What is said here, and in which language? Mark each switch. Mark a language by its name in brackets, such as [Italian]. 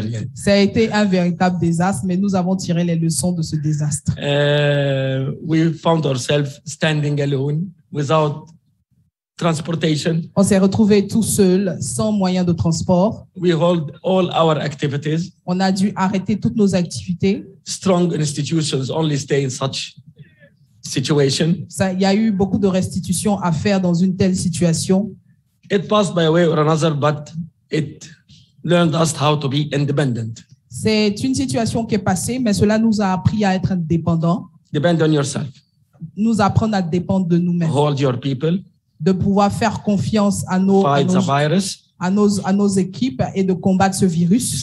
[English] Yeah. [French] Ça a été un véritable désastre, mais nous avons tiré les leçons de ce désastre. [English] We found ourselves standing alone without transportation. [French] On s'est retrouvé tout seul, sans moyen de transport. [English] We hold all our activities. [French] On a dû arrêter toutes nos activités. [English] Strong institutions only stay in such situation. [French] Il y a eu beaucoup de restitutions à faire dans une telle situation. [English] It passed by a way or another, but it learned us how to be independent. [French] C'est une situation qui est passée, mais cela nous a appris à être indépendant. [English] Depend on yourself. [French] Nous apprendre à dépendre de nous-mêmes. [English] Hold your people. [French] De pouvoir faire confiance à nos [English] fight [French] à nos, [English] the virus. [French] À nos équipes et de combattre ce virus.